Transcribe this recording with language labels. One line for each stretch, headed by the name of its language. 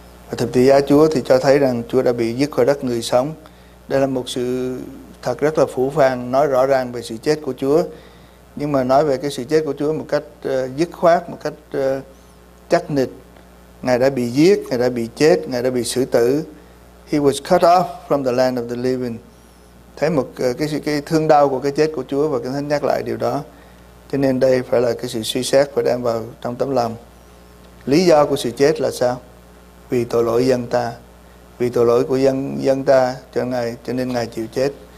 Vietnamese: Và thập tự giá Chúa thì cho thấy rằng Chúa đã bị dứt khỏi đất người sống. Đây là một sự thật rất là phũ phàng, nói rõ ràng về sự chết của Chúa. Nhưng mà nói về cái sự chết của Chúa một cách dứt khoát, một cách chắc nịch, Ngài đã bị giết, Ngài đã bị chết, Ngài đã bị xử tử.
English: He was cut off from the land of the living.
Vietnamese: Thấy một cái thương đau của cái chết của Chúa và Kinh Thánh nhắc lại điều đó. Cho nên đây phải là cái sự suy xét phải đem vào trong tấm lòng. Lý do của sự chết là sao? Vì tội lỗi dân ta. Vì tội lỗi của dân ta cho Ngài, cho nên Ngài chịu chết.